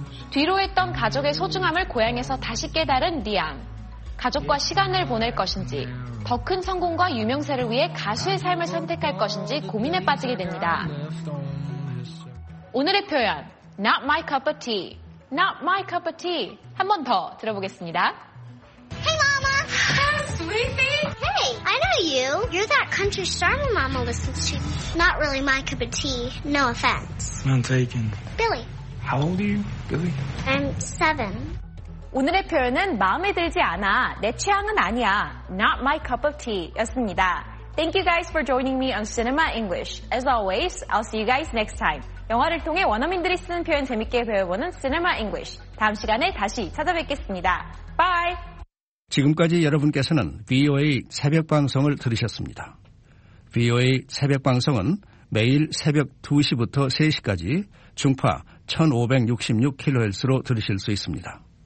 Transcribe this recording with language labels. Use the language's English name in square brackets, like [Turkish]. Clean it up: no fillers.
[Korean] 뒤로 했던 가족의 소중함을 고향에서 다시 깨달은 리암. 가족과 시간을 보낼 것인지, 더 큰 성공과 유명세를 위해 가수의 삶을 선택할 것인지 고민에 빠지게 됩니다. 오늘의 표현, [English] Not my cup of tea. Not my cup of tea. [Korean] 한 번 더 들어보겠습니다. [English] Hey, Mama. Sweetie. I know you. You're that country star my mama listens to. Not really my cup of tea. No offense. None taken. Billy. How old are you, Billy? I'm 7. [Korean] 오늘의 표현은 마음에 들지 않아. 내 취향은 아니야. [English] Not my cup of tea [Korean] 였습니다. [English] Thank you guys for joining me on Cinema English. As always, I'll see you guys next time. [Korean] 영화를 통해 원어민들이 쓰는 표현 재밌게 배워보는 Cinema English. 다음 시간에 다시 찾아뵙겠습니다. [English] Bye! [Korean] 지금까지 여러분께서는 VOA 새벽방송을 들으셨습니다. VOA 새벽방송은 매일 새벽 2시부터 3시까지 중파 1566kHz로 들으실 수 있습니다.